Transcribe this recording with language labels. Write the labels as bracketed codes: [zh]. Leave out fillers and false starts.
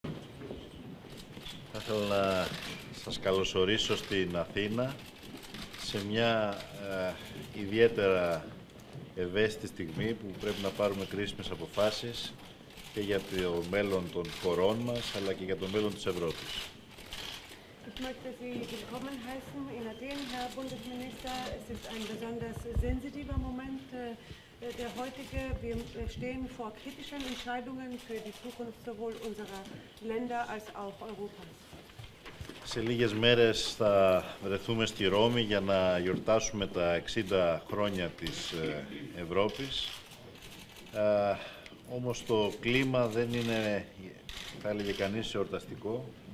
[el] Θα ήθελα να σας καλωσορίσω στην Αθήνα σε μια ιδιαίτερα ευαίσθητη στιγμή που πρέπει να πάρουμε κρίσιμες αποφάσεις και για το μέλλον των χωρών μας αλλά και για το μέλλον της Ευρώπης. [de] Ich möchte Sie willkommen heißen in Athen, Herr Bundesminister. Es ist ein besonders sensitiver Moment, der heutige. Wir stehen vor kritischen Entscheidungen für die Zukunft sowohl unserer Länder als auch Europas. [el] Σε λίγες μέρες θα βρεθούμε στη Ρώμη για να γιορτάσουμε τα 60 χρόνια της Ευρώπης. Όμως το κλίμα δεν είναι, θα έλεγε κανείς, εορταστικό.